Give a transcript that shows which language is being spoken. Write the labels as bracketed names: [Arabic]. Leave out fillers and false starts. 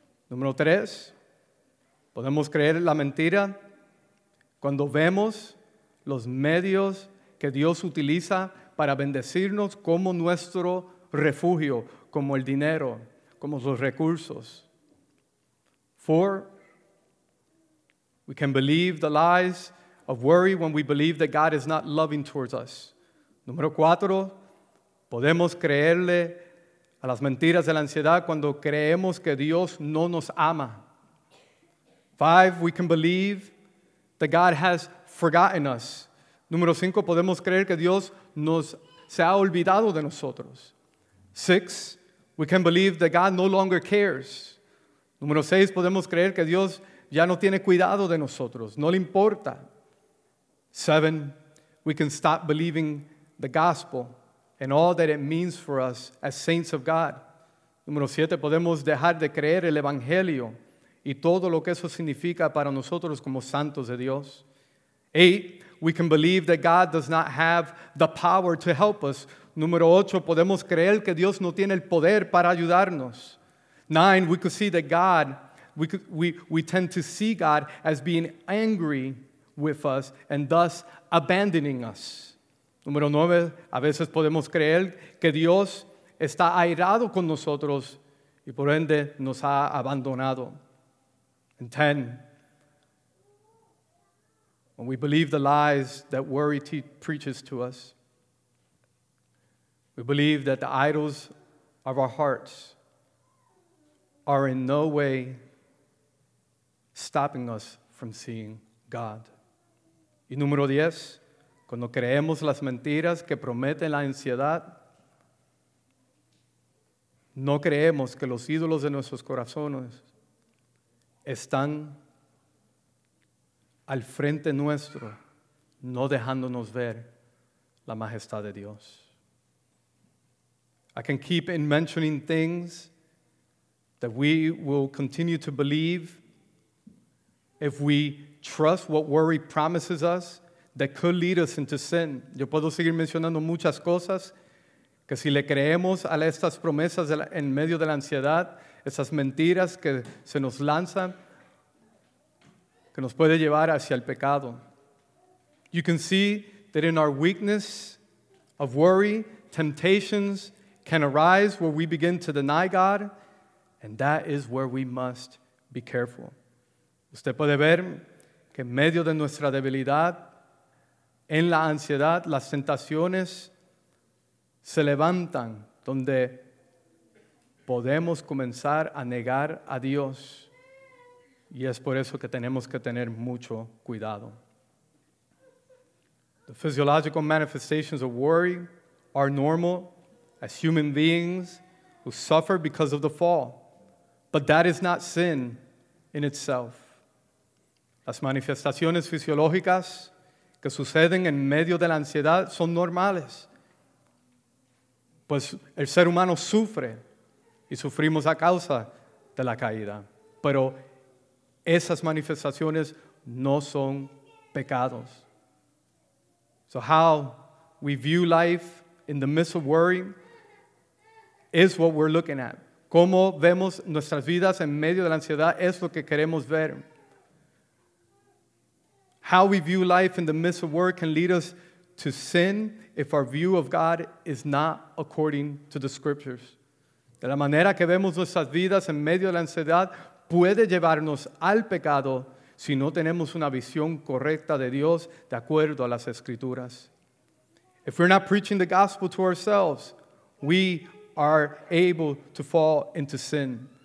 [Spanish] Número tres, podemos creer la mentira cuando vemos los medios que Dios utiliza para bendecirnos como nuestro refugio, como el dinero, como los recursos. [English] Four, we can believe the lies of worry when we believe that God is not loving towards us. [Spanish] Número cuatro, podemos creerle a las mentiras de la ansiedad cuando creemos que Dios no nos ama. [English] Five, we can believe that God has forgotten us. [Spanish] Número cinco, podemos creer que Dios nos se ha olvidado de nosotros. [English] Six, we can believe that God no longer cares. [Spanish] Número seis, podemos creer que Dios ya no tiene cuidado de nosotros, no le importa. [English] Seven, we can stop believing the gospel and all that it means for us as saints of God. [Spanish] Número 7, podemos dejar de creer el evangelio y todo lo que eso significa para nosotros como santos de Dios. [English] 8, we can believe that God does not have the power to help us. [Spanish] Número 8, podemos creer que Dios no tiene el poder para ayudarnos. [English] 9, we could see that God, we tend to see God as being angry with us and thus abandoning us. [Spanish] Número 9, a veces podemos creer que Dios está airado con nosotros y por ende nos ha abandonado. [English] And 10, when we believe the lies that worry preaches to us, we believe that the idols of our hearts are in no way stopping us from seeing God. [Spanish] Y número 10, cuando creemos las mentiras que prometen la ansiedad, no creemos que los ídolos de nuestros corazones están al frente nuestro, no dejándonos ver la majestad de Dios. [English] I can keep in mentioning things that we will continue to believe if we trust what worry promises us that could lead us into sin. [Spanish] Yo puedo seguir mencionando muchas cosas que si le creemos a estas promesas en medio de la ansiedad, esas mentiras que se nos lanzan, que nos puede llevar hacia el pecado. [English] You can see that in our weakness of worry, temptations can arise where we begin to deny God, and that is where we must be careful. [Spanish] Usted puede ver que en medio de nuestra debilidad, en la ansiedad, las tentaciones se levantan donde podemos comenzar a negar a Dios. Y es por eso que tenemos que tener mucho cuidado. [English] The physiological manifestations of worry are normal as human beings who suffer because of the fall. But that is not sin in itself. [Spanish] Las manifestaciones fisiológicas que suceden en medio de la ansiedad son normales. Pues el ser humano sufre y sufrimos a causa de la caída. Pero esas manifestaciones no son pecados. [English] So how we view life in the midst of worry is what we're looking at. [Spanish] Cómo vemos nuestras vidas en medio de la ansiedad es lo que queremos ver. [English] How we view life in the midst of worry can lead us to sin if our view of God is not according to the scriptures. [Spanish] De la manera que vemos nuestras vidas en medio de la ansiedad puede llevarnos al pecado si no tenemos una visión correcta de Dios de acuerdo a las Escrituras. [English] If we're not preaching the gospel to ourselves, we are able to fall into sin.